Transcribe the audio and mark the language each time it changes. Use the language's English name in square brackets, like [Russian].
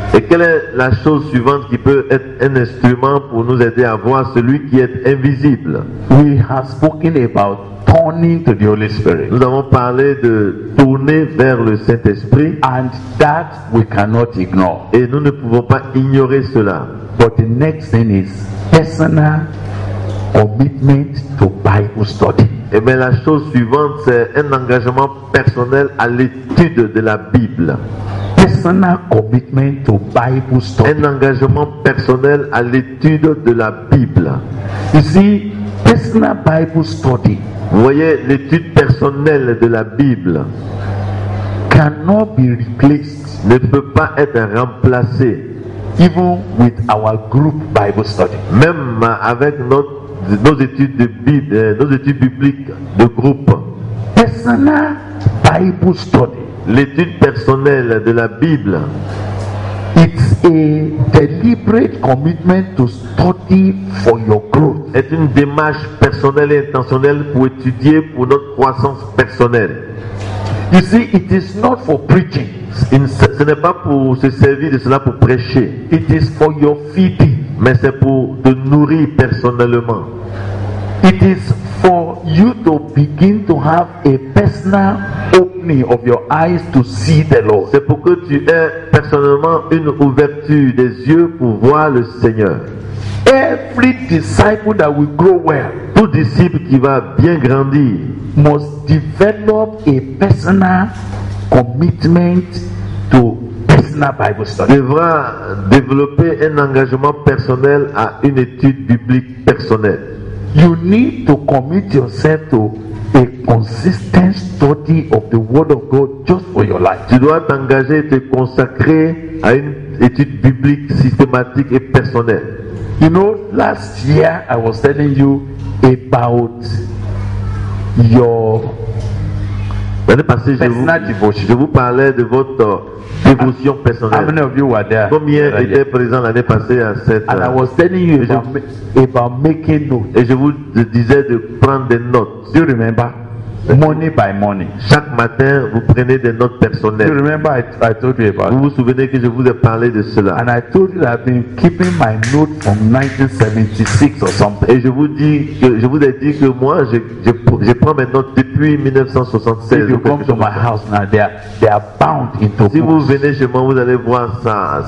[French] Et quelle est la chose suivante qui peut être un instrument pour nous aider à voir celui qui est invisible? [English] We have spoken about turning to the Holy Spirit. [French] Nous avons parlé de tourner vers le Saint-Esprit. [English] And that we cannot ignore. [French] Et nous ne pouvons pas ignorer cela. [English] But the next thing is personal commitment to Bible study. [French] Et bien la chose suivante, c'est un engagement personnel à l'étude de la Bible. [English] Personal commitment to Bible study. [French] Un engagement personnel à l'étude de la Bible. [English] You see, personal Bible study. [French] Vous voyez, l'étude personnelle de la Bible [English] cannot be replaced. [French] Ne peut pas être remplacée. [English] Even with our group Bible study. [French] Même avec nos études de Bible, nos études bibliques de groupe. [English] Personal Bible study. [French] L'étude personnelle de la Bible. [English] It's a deliberate commitment to study for your growth. [French] Est une démarche personnelle et intentionnelle pour étudier pour notre croissance personnelle. [English] You see, it is not for preaching. [French] Ce n'est pas pour se servir de cela pour prêcher. [English] It is for your feeding. [French] Mais c'est pour te nourrir personnellement. [English] It is for you to begin to have a personal opening of your eyes to see the Lord. [French] C'est pour que tu aies personnellement une ouverture des yeux pour voir le Seigneur. [English] Every disciple that will grow well, [French] tout disciple qui va bien grandir, [English] must develop a personal commitment to personal Bible study. [French] Devra développer un engagement personnel à une étude biblique personnelle. [English] You need to commit yourself to a consistent study of the Word of God just for your life. [French] Tu dois t'engager et te consacrer à une étude biblique systématique et personnelle. [English] You know, last year I was telling you about your [French] devotion personnelle. [English] How many of you were there? [French] Combien étaient présents l'année passée à cette? [English] And I was telling you about making notes. [French] Et je vous disais de prendre des notes. [English] Do you remember? Money by money. [French] Chaque matin, vous prenez des notes personnelles. [English] Do you remember? I told you about. [French] Vous vous souvenez que je vous ai parlé de cela? [English] And I told you that I've been keeping my notes from 1976 or something. [French] Et je vous ai dit que moi, je prends mes notes depuis 1976. [English] If you come to my house now, they are bound into. [French] Si vous venez chez moi, vous allez voir ça.